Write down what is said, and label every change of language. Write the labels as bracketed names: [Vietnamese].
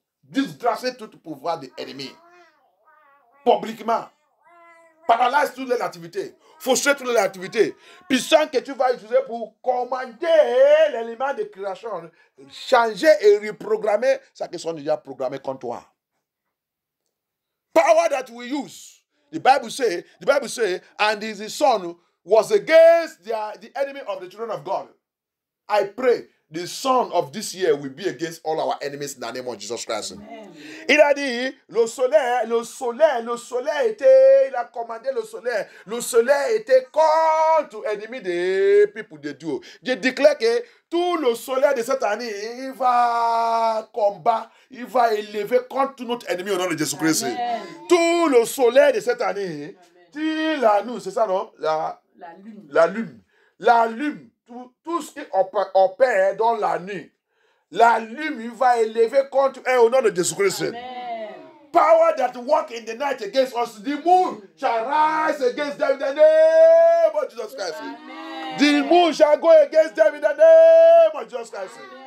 [French] Disgracer tout pouvoir de l'ennemi. Publiquement. Paralyse toutes les activités. Faucher toutes les activités. Puissant que tu vas utiliser pour commander l'élément de création. Changer et reprogrammer ce qui sont déjà programmé contre toi. [English] Power that we use. The Bible says, and his son was against the enemy of the children of God. I pray. The son of this year will be against all our enemies in the name of Jesus Christ. [French] Amen. Il a dit, il a commandé le soleil était contre l'ennemi des [English] people [French] de Dieu. Je déclare que tout le soleil de cette année, il va combattre, il va élever contre notre ennemi au nom de Jésus Christ. Amen. Tout le soleil de cette année, dit à nous, c'est ça non? La lune. Tout ce qui opère dans la nuit, la lune va élever contre elle au nom de Jésus Christ. Amen. [English] Power that walk in the night against us, the moon shall rise against them in the name of Jesus Christ. Amen. The moon shall go against them in the name of Jesus Christ.